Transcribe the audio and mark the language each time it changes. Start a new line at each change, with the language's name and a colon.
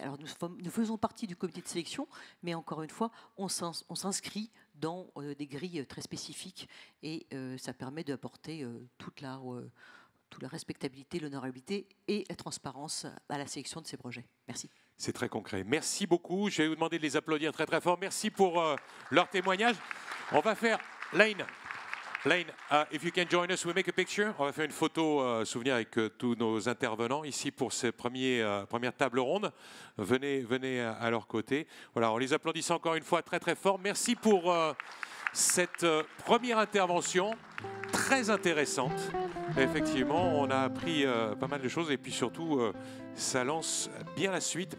French: Alors nous faisons partie du comité de sélection, mais encore une fois, on s'inscrit dans des grilles très spécifiques et ça permet d'apporter toute la respectabilité, l'honorabilité et la transparence à la sélection de ces projets. Merci. C'est très concret. Merci beaucoup. Je vais vous demander de les applaudir très très fort. Merci pour leur témoignage. On va faire Lane.
English: Lane, if you can join us, we make a picture.
French: On va faire une photo souvenir avec tous nos intervenants ici pour ces premières tables rondes. Venez à leur côté. Voilà, on les applaudit encore une fois très très fort. Merci pour cette première intervention très intéressante. Effectivement, on a appris pas mal de choses et puis surtout, ça lance bien la suite.